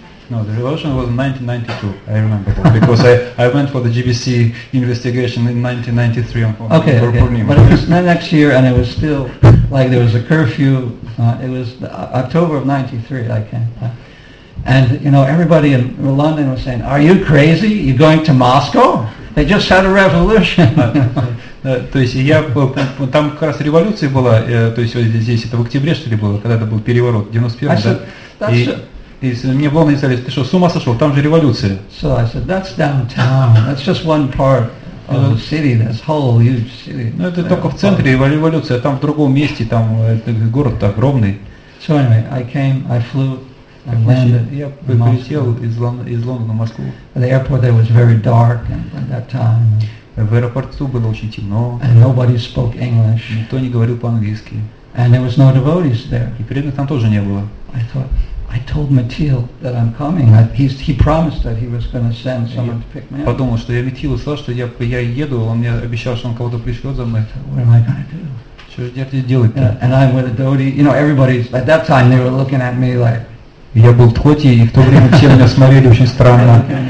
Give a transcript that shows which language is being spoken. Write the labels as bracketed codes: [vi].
[en] No, the revolution was in 1992, I remember that. Because I went for the GBC investigation in 1993 on Purnima. Okay, but it was next year and it was still, like there was a curfew, it was October of 93, I can't... And, you know, everybody in London was saying, are you crazy? You're going to Moscow? They just had a revolution. [ru] То есть я был, там как раз революция была, то есть здесь это в октябре, что ли, было, когда это был переворот, 91-м, да? И мне в Лондоне сказали, ты что, с ума сошел, там же революция. [en] So I said, that's downtown, that's just one part of the city, this whole huge city. [ru] Ну это только в центре революция, а там в другом месте, там город-то огромный. [en] So anyway, I came, I flew. And landed. [ru] Я прилетел из Лондона в Москву. [en] The airport there was very dark at that time. [ru] В аэропорту было очень темно. [en] And nobody spoke English. [ru] Никто не говорил по-английски. [en] And there was no devotees there. [ru] И преданных там тоже не было. [en] I thought, I told Mathil that I'm coming. He promised that he was going to send someone to pick me up. [ru] Подумал, что я Мэтилу сказал, что я еду, он мне обещал, что он кого-то пришлет за мной. [en] What am I going to do? [ru] Что же теперь делать? [en] And I'm with a devotee. You know, everybody at that time they were looking at me like. [ru] Я был в Дхоте, и в то время все меня смотрели очень странно.